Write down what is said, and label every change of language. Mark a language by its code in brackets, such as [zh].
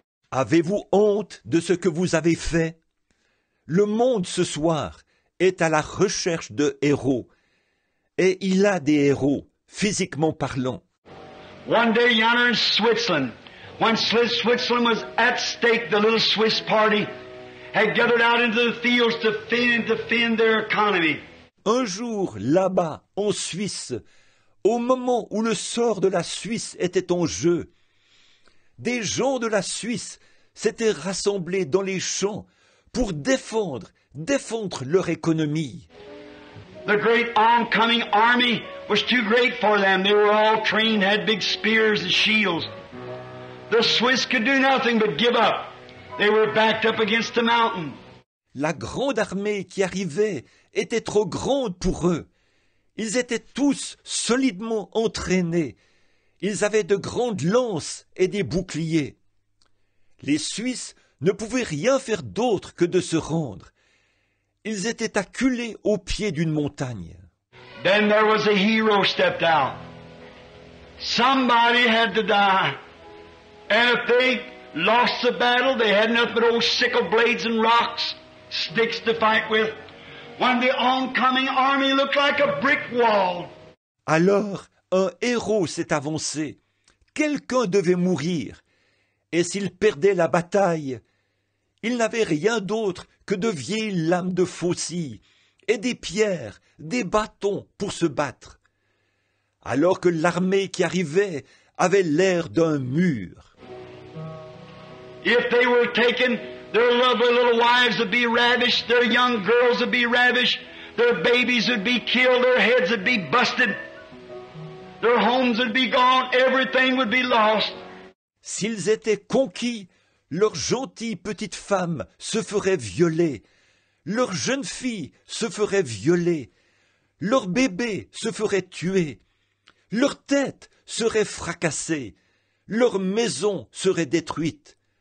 [fr] Avez-vous honte de ce que vous avez fait? Le monde ce soir est à la recherche de héros. Et il a des héros, physiquement parlant. [en] One day yonder in Switzerland, when Switzerland was at stake, the little Swiss party had gathered out into the fields to defend and defend their economy. [fr] Un jour, là-bas, en Suisse, au moment où le sort de la Suisse était en jeu, des gens de la Suisse s'étaient rassemblés dans les champs pour défendre leur économie. [en] The great oncoming army was too great for them. They were all trained, had big spears and shields. The Swiss could do nothing but give up. They were backed up against the mountain. [fr] La grande armée qui arrivait était trop grande pour eux. Ils étaient tous solidement entraînés. Ils avaient de grandes lances et des boucliers. Les Suisses ne pouvaient rien faire d'autre que de se rendre. Ils étaient acculés au pied d'une montagne. [en] Then there was a hero stepped out. Somebody had to die. And if they lost the battle, they had nothing but old sickle blades and rocks, sticks to fight with. When the oncoming army looked like a brick wall. [fr] Alors, un héros s'est avancé. Quelqu'un devait mourir. Et s'il perdait la bataille, il n'avait rien d'autre que de vieilles lames de faucille et des pierres, des bâtons pour se battre. Alors que l'armée qui arrivait avait l'air d'un mur. [en] If they were taken, their lovely little wives would be ravished, their young girls would be ravished, their babies would be killed, their heads would be busted, their homes would be gone, everything would be lost. [fr] S'ils étaient conquis, leurs gentilles petites femmes se feraient violer, leurs jeunes filles se feraient violer, leurs bébés se feraient tuer, leurs têtes seraient fracassées, leurs maisons seraient détruites.